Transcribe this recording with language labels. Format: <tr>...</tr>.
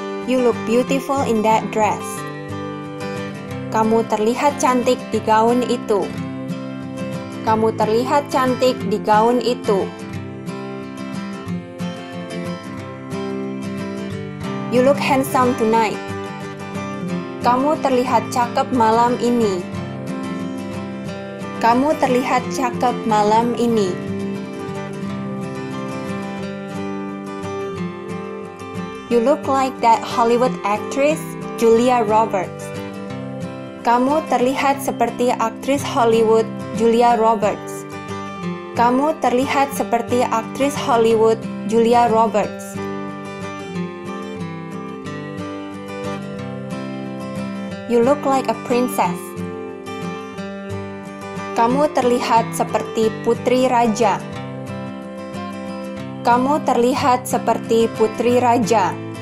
<en>You look beautiful in that dress.</en> <id>Kamu terlihat cantik di gaun itu. Kamu terlihat cantik di gaun itu.</id> <en>You look handsome tonight.</en> <id>Kamu terlihat cakep malam ini. Kamu terlihat cakep malam ini.</id> <en>You look like that Hollywood actress, Julia Roberts.</en> <id>Kamu terlihat seperti aktris Hollywood, Julia Roberts. Kamu terlihat seperti aktris Hollywood, Julia Roberts.</id> <en>You look like a princess.</en> <id>Kamu terlihat seperti putri raja. Kamu terlihat seperti putri raja.</id>